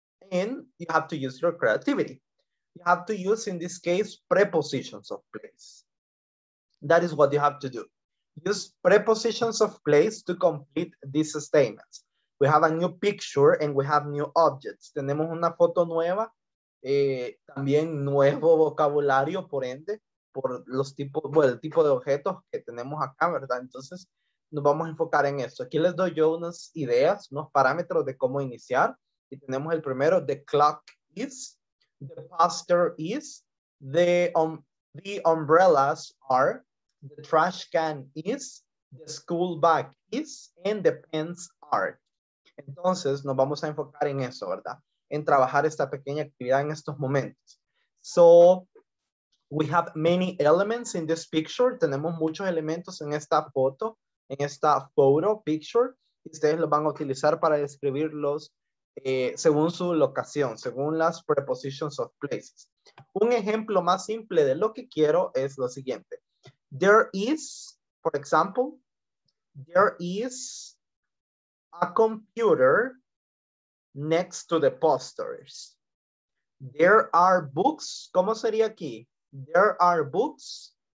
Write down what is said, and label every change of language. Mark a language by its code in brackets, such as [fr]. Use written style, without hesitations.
[en] And you have to use your creativity. You have to use, in this case, prepositions of place. That is what you have to do. Use prepositions of place to complete these statements. We have a new picture and we have new objects. [es] Tenemos una foto nueva, también nuevo vocabulario, por ende, por los tipos, bueno, el tipo de objetos que tenemos acá, ¿verdad? Entonces, nos vamos a enfocar en esto. Aquí les doy yo unas ideas, unos parámetros de cómo iniciar. Y tenemos el primero, [en] the clock is, the pastor is, the umbrellas are, the trash can is, the school bag is, and the pens are. [es] Entonces, nos vamos a enfocar en eso, ¿verdad? En trabajar esta pequeña actividad en estos momentos. [en] So, we have many elements in this picture. [es] Tenemos muchos elementos en esta foto, picture. Y ustedes lo van a utilizar para describir los según su locación, según las prepositions of places. Un ejemplo más simple de lo que quiero es lo siguiente. [en] There is, for example, there is a computer next to the posters. There are books, [es] ¿cómo sería aquí? [en] There are books.